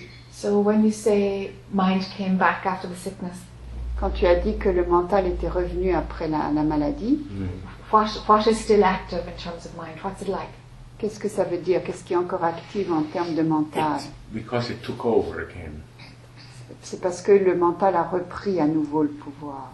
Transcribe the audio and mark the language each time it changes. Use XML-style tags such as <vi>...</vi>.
<en>So when you say mind came back after the sickness,</en> <fr>quand tu as dit que le mental était revenu après la maladie,</fr> <en>what is still active in terms of mind? What's it like?</en> <fr>Qu'est-ce que ça veut dire? Qu'est-ce qui est encore actif en termes de mental?</fr> <en>It's because it took over again.</en> <fr>C'est parce que le mental a repris à nouveau le pouvoir.</fr>